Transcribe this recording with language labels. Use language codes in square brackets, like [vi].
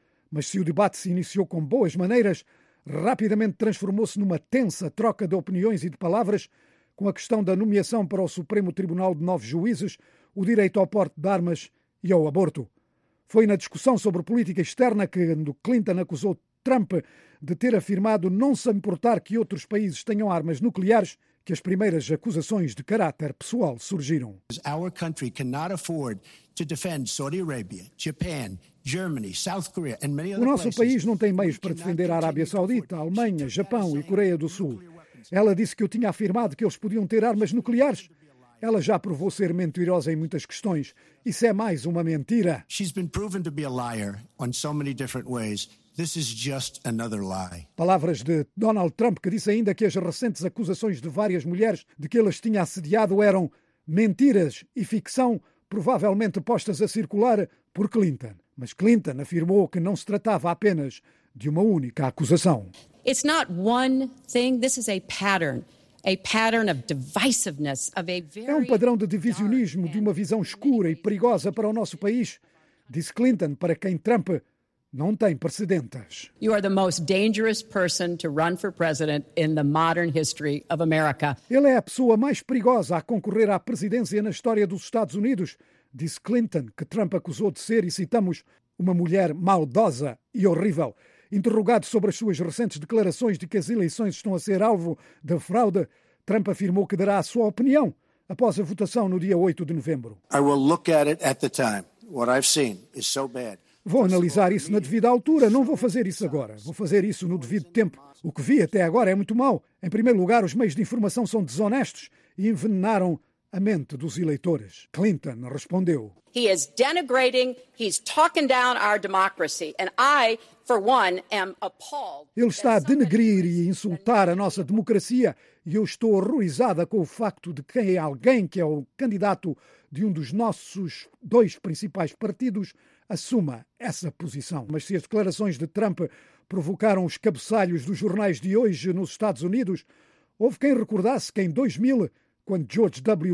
[pt] Mas se o debate se iniciou com boas maneiras, rapidamente transformou-se numa tensa troca de opiniões e de palavras, com a questão da nomeação para o Supremo Tribunal de 9 juízes, o direito ao porte de armas e ao aborto. Foi na discussão sobre política externa que Clinton acusou Trump de ter afirmado não se importar que outros países tenham armas nucleares que as primeiras acusações de caráter pessoal surgiram. [en] Our country cannot afford to defend Saudi Arabia, Japan, Germany, South Korea and many other places. [pt] O nosso país não tem meios para defender a Arábia Saudita, a Alemanha, Japão e Coreia do Sul. Ela disse que eu tinha afirmado que eles podiam ter armas nucleares. Ela já provou ser mentirosa em muitas questões. Isso é mais uma mentira. [en] She's been proven to be a liar in so many different ways. This is just another lie. [pt] Palavras de Donald Trump, que disse ainda que as recentes acusações de várias mulheres de que ele as tinha assediado eram mentiras e ficção, provavelmente postas a circular por Clinton. Mas Clinton afirmou que não se tratava apenas de uma única acusação. [en] It's not one thing, this is a pattern. [pt] É um padrão de divisionismo, de uma visão escura e perigosa para o nosso país, disse Clinton, para quem Trump não tem precedentes. [en] You are the most dangerous person to run for president in the modern history of America. [pt] Ele é a pessoa mais perigosa a concorrer à presidência na história dos Estados Unidos, disse Clinton, que Trump acusou de ser, e citamos, uma mulher maldosa e horrível. Interrogado sobre as suas recentes declarações de que as eleições estão a ser alvo de fraude, Trump afirmou que dará a sua opinião após a votação no dia 8 de novembro. Vou analisar isso na devida altura, não vou fazer isso agora. Vou fazer isso no devido tempo. O que vi até agora é muito mau. Em primeiro lugar, os meios de informação são desonestos e envenenaram a mente dos eleitores. Clinton respondeu. [en] He is denigrating, he's talking down our democracy, and I, for one, am appalled. [pt] Ele está a denegrir e insultar a nossa democracia, e eu estou horrorizada com o facto de que alguém que é o candidato de um dos nossos dois principais partidos assuma essa posição. Mas se as declarações de Trump provocaram os cabeçalhos dos jornais de hoje nos Estados Unidos, houve quem recordasse que em 2000, quando George W.